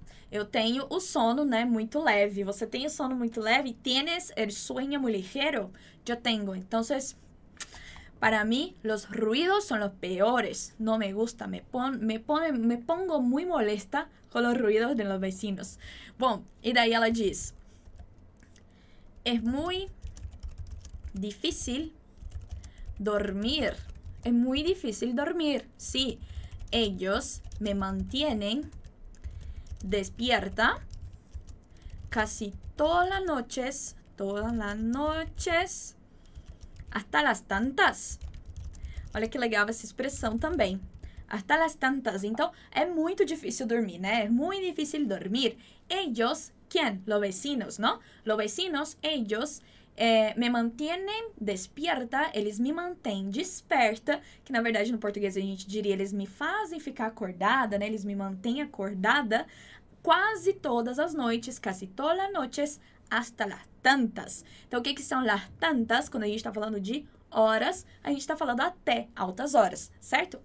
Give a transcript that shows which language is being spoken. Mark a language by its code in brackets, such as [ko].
[pt] Eu tenho o sono, né, muito leve. Você tem o sono muito leve? [es] Tienes el sueño muy ligero? Yo tengo. Entonces, para mí, los ruidos son los peores. No me gusta. Me pongo muy molesta con los ruidos de los vecinos. [pt] Bom, e daí ela diz, [es] es muy difícil dormir. Es muy difícil dormir. Sí, ellos me mantienen despierta casi todas las noches. Todas las noches. Hasta las tantas. [pt] Olha que legal essa expressão também. [es] Hasta las tantas. [pt] Então, é muito difícil dormir, né? É muito difícil dormir. [es] Ellos, ¿quién? Los vecinos, ¿no? Los vecinos, ellos, me mantienen despierta. [pt] Eles me mantêm desperta. Que, na verdade, no português a gente diria, eles me fazem ficar acordada, né? Eles me mantêm acordada quase todas as noites. [es] Casi todas las noches. Hasta las tantas. [pt] Então, o que, que são las tantas quando a gente está falando de horas, a gente tá falando até altas horas, certo?